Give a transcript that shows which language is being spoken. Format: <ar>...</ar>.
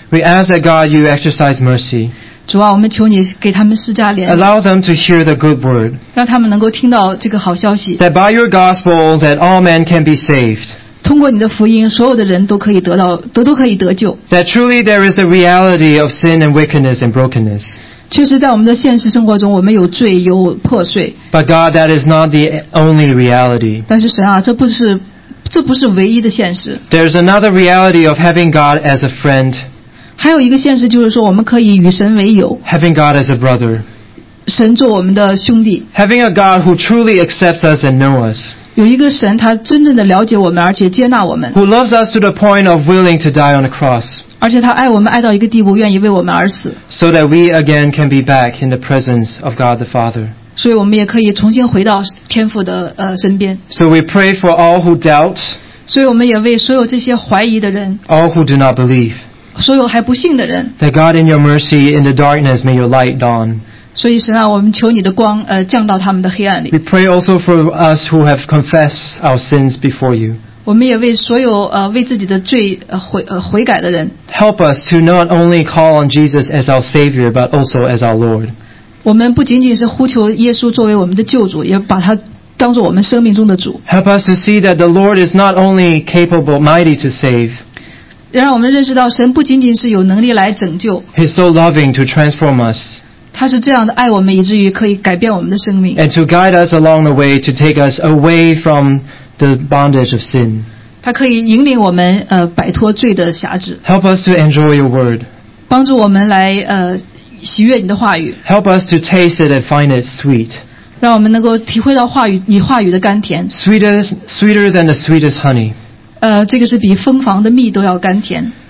<en>we ask that God you exercise mercy.</en> <zh>主啊我们求你给他们施加怜悯</zh> <en>allow them to hear the good word.</en> <zh>让他们能够听到这个好消息</zh> <en>that by your gospel that all men can be saved.</en> <zh>通过你的福音所有的人都可以得到都可以得救</zh> <en>that truly there is the reality of sin and wickedness and brokenness.</en> <zh>确实在我们的现实生活中我们有罪有破碎</zh> <en>But God that is not the only reality</en> <zh>但是神啊这不是唯一的现实</zh> <en>There's another reality of having God as a friend</en> <zh>还有一个现实就是说我们可以与神为友</zh> <en>Having God as a brother</en> <zh>神做我们的兄弟</zh> <en>Having a God who truly accepts us and knows us</en> <zh>有一个神他真正的了解我们而且接纳我们</zh> <en>Who loves us to the point of willing to die on the cross</en> <zh>而且他爱我们爱到一个地步愿意为我们而死</zh> <en>so that we again can be back in the presence of God the Father</en> <zh>所以我们也可以重新回到天父的身边</zh> <en>so we pray for all who doubt</en> <zh>所以我们也为所有这些怀疑的人</zh> <en>all who do not believe</en> <zh>所有还不信的人</zh> <en>that God in your mercy in the darkness may your light dawn</en> <zh>所以神啊我们求你的光降到他们的黑暗里</zh> <en>we pray also for us who have confessed our sins before you</en> <zh>我们也为所有为自己的罪悔改的人</zh> <en>Help us to not only call on Jesus as our Savior but also as our Lord</en> <zh>我们不仅仅是呼求耶稣作为我们的救主也把他当作我们生命中的主</zh> <en>Help us to see that the Lord is not only capable mighty to save</en> <zh>让我们认识到神不仅仅是有能力来拯救</zh> <en>He's so loving to transform us</en> <zh>他是这样的爱我们以至于可以改变我们的生命</zh> <en>And to guide us along the way to take us away fromThe bondage of sin.</en> <zh>他可以引领我们摆脱罪的辖制。</zh> <en>Help us to enjoy your word.</en> <zh>帮助我们来喜悦你的话语。</zh> <en>Help us to taste it and find it sweet.</en> <zh>让我们能够体会到话语你话语的甘甜。</zh> <en>Sweeter than the sweetest honey.</en> <zh>这个是比蜂房的蜜都要甘甜。</zh>